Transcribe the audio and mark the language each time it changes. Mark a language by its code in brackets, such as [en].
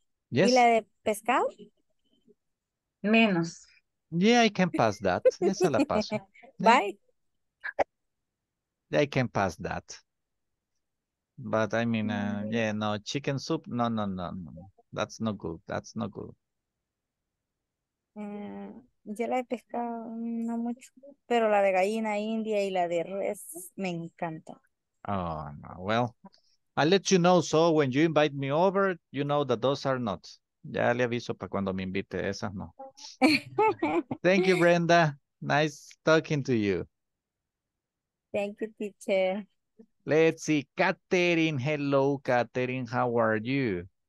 [es] ¿Y la de pescado? Menos. [en] Yeah, I can pass that. [es] Esa la paso. [en] Bye. Yeah, I can pass that. But I mean, yeah, no, chicken soup, no. That's not good. That's not good. [es] Yo la he pescado no mucho, pero la de gallina india y la de res me encanta. [en] Oh, no. Well, I'll let you know. So when you invite me over, you know that those are not. [es] Ya le aviso para cuando me invite esas, no. [en] Thank you, [es] Brenda. [en] Nice talking to you. Thank you, teacher. Let's see. Katherine. Hello, Katherine. How are you?